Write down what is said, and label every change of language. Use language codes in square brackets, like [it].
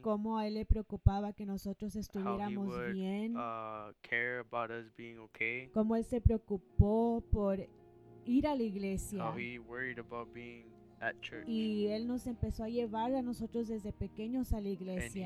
[es] Cómo a él le preocupaba que nosotros estuviéramos bien. [en] How he would care about us being okay. [es] Cómo él se preocupó por ir a la iglesia. [en] How he worried about being at church. [es] Y él nos empezó a llevar a nosotros desde pequeños a la iglesia.